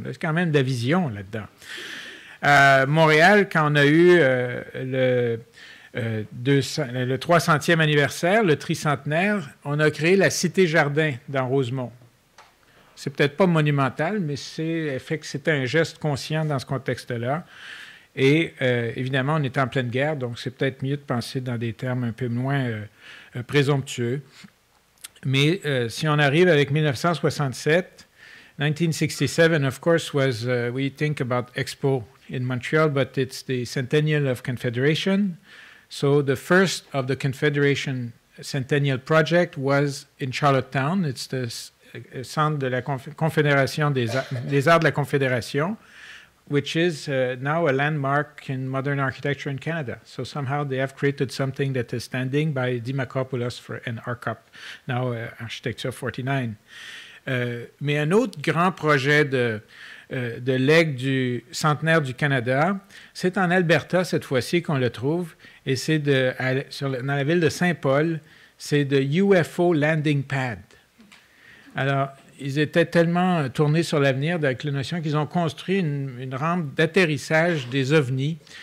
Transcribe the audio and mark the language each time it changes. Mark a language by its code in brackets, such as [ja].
[fr] C'est quand même de la vision là-dedans. Montréal, quand on a eu le 300e anniversaire, le tricentenaire, on a créé la Cité-Jardin dans Rosemont. C'est peut-être pas monumental, mais c'était un geste conscient dans ce contexte-là. Et évidemment, on est en pleine guerre, donc c'est peut-être mieux de penser dans des termes un peu moins présomptueux. Mais si on arrive avec [en] 1967, of course, was we think about Expo in Montreal, but it's the centennial of Confederation. So the first of the Confederation Centennial Project was in Charlottetown. It's the centre de la Confédération des arts de la Confédération, which is now a landmark in modern architecture in Canada. So somehow they have created something that is standing by Dimakopoulos for an ARCOP, now Architecture 49. [fr] Mais un autre grand projet de legs du centenaire du Canada, c'est en Alberta cette fois-ci qu'on le trouve, et c'est dans la ville de Saint-Paul, c'est de UFO Landing Pad. Alors, ils étaient tellement tournés sur l'avenir avec la notion qu'ils ont construit une rampe d'atterrissage des ovnis.